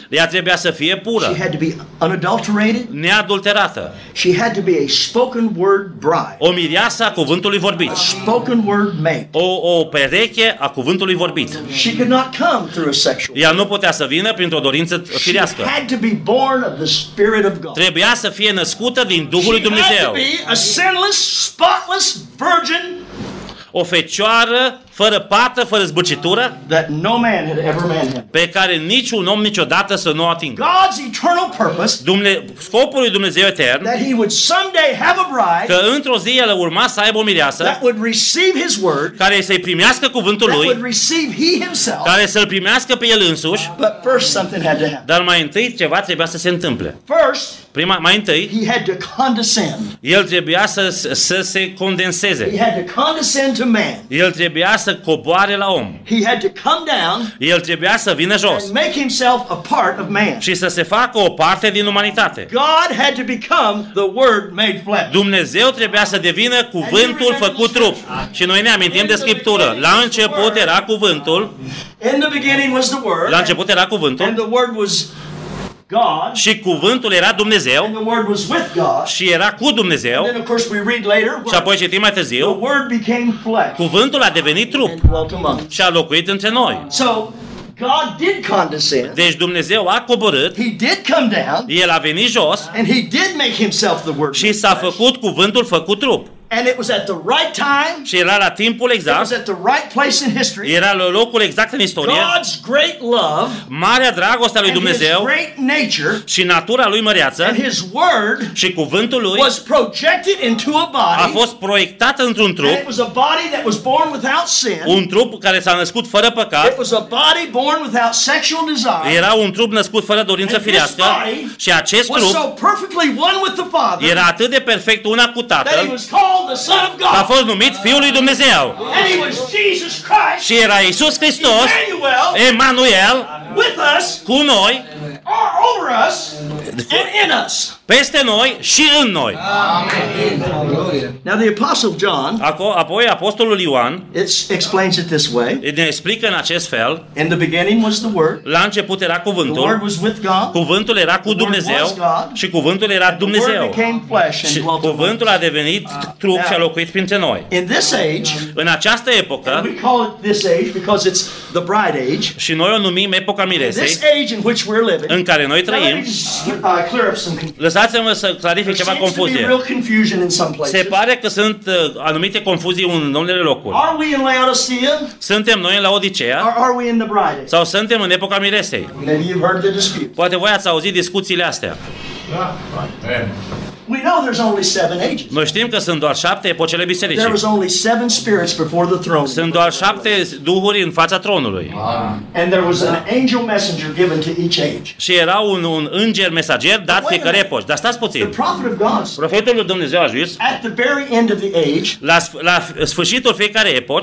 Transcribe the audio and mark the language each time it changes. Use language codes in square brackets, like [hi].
[ro] Ea trebuia să fie pură. [en] She had to be unadulterated. [ro] Neadulterată. [en] She had to be a spoken word bride. [ro] O mireasă a cuvântului vorbit. [en] A spoken word maid. [ro] O pereche a cuvântului vorbit. [en] She could not come through a sexual. [ro] Ea nu putea să vină printr-o dorință firească. [en] She had to be born of the Spirit of God. [ro] Trebuia să fie născută din Duhul lui Dumnezeu. [en] She had to be a sinless, spotless virgin. [ro] O fecioară fără pată, fără zbârcitură, [en] that no man had ever met him. [ro] Pe care niciun om niciodată să nu o atingă. [en] God's eternal purpose, [ro] scopul lui Dumnezeu etern, [en] that he would someday have a bride, [ro] că într-o zi el urma să aibă o mireasă, [en] that would receive his word, [ro] care să-i primească cuvântul lui, [en] that would receive he himself, [ro] care să-l primească pe el însuși, [en] but first something had to happen. [ro] Dar mai întâi ceva trebuia să se întâmple. [en] First, [ro] prima, mai întâi, [en] he had to condescend. [ro] El trebuia să se condenseze. [en] He had to condescend to man. [ro] El trebuia să coboare la om. [en] He had to come down. [ro] El trebuia să vină jos. [en] And make himself a part of man. [ro] Și să se facă o parte din umanitate. [en] God had to become the word made flesh. [ro] Dumnezeu trebuia să devină cuvântul făcut trup. Și noi ne amintim de Scriptură. La început era cuvântul. [en] In the beginning was the word. [ro] La început era cuvântul. [en] And the word was God. [ro] Și cuvântul era Dumnezeu. [en] And the word was with God. [ro] Și era cu Dumnezeu. [en] And then, of course, we read later, [ro] și apoi citim mai târziu. [en] The word became flesh. [ro] Cuvântul a devenit trup. Și a locuit între noi. [en] So, God did condescend. [ro] Deci Dumnezeu a coborât. [en] He did come down. [ro] El a venit jos. [en] And he did make himself the word. [ro] Și s-a făcut cuvântul făcut trup. [en] And it was at the right time. [ro] Și era la timpul exact. [en] It was at the right place in history. [ro] Era la locul exact în istorie. [en] God's great love. [ro] Marea dragoste a lui Dumnezeu. [en] His great nature. [ro] Și natura lui măreață. [en] And his word. [ro] Și cuvântul lui. [en] Was projected into a body. [ro] A fost proiectat într-un trup. [en] It was a body that was born without sin. [ro] Un trup care s-a născut fără păcat. [en] It was a body born without sexual desire. [ro] Era un trup născut fără dorință firească. Și acest trup [en] was so perfectly one with the Father. [ro] Era atât de perfect una cu Tatăl. A fost numit Fiul lui Dumnezeu. [en] And he was Jesus Christ, [ro] și era Iisus Hristos, [en] Emmanuel, with us, [ro] cu noi, [en] over us, and in us. [ro] Peste noi și în noi. [en] Amen. Now the Apostle John, [ro] apoi Apostolul Ioan, [en] explains it this way. [ro] Ne explică în acest fel. [en] In the beginning was the word. [ro] La început era cuvântul. [en] The word was with God. [ro] Cuvântul era cu Dumnezeu. Și cuvântul era Dumnezeu. [en] The word became flesh and dwelt. [ro] Cuvântul a devenit trup și a locuit printre noi. [en] In this age, [ro] în această epocă, [en] we call it this age because it's the bride age. [ro] Și noi o numim epoca miresei. [en] This age in which we're living. [ro] În care noi trăim. [en] Clear up some confusion. [ro] Lăsați-mă să clarific ceva confuzie. Se pare că sunt anumite confuzii în unele locuri. [en] Are we in Laodicea? [ro] Suntem noi în Laodicea? [en] Are we in the bride? [ro] Sau suntem în epoca miresei? [en] Maybe you've heard the dispute. [ro] Poate voi ați auzit discuțiile astea. [en] We know there's only seven ages. [ro] Noi știm că sunt doar șapte epocele bisericii. [en] There was only seven spirits before the throne. [ro] Sunt doar șapte duhuri în fața tronului. [en] And there was an angel messenger given to each age. [ro] Și era un înger mesager dat fiecare epocă. Dar stați puțin. [en] The prophet of God. [ro] Profetul lui Dumnezeu a zis. [en] At the very end of the age. [ro] La sfârșitul fiecare epocă.